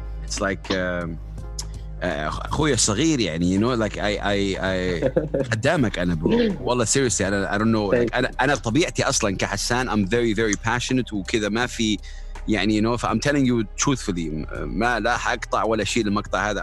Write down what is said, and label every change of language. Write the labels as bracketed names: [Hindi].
[English] It's like [Arabic] خويا صغير يعني. [English] You know, like I [Arabic] قدامك أنا بقول. والله [English] seriously, I don't know. [Arabic] Like, أنا طبيعتي أصلاً كحسان. [English] I'm very very passionate [Arabic] وكذا ما في يعني. [English] You know, if I'm telling you truthfully, [Arabic] ما لا حقطع ولا شيء المقطع هذا.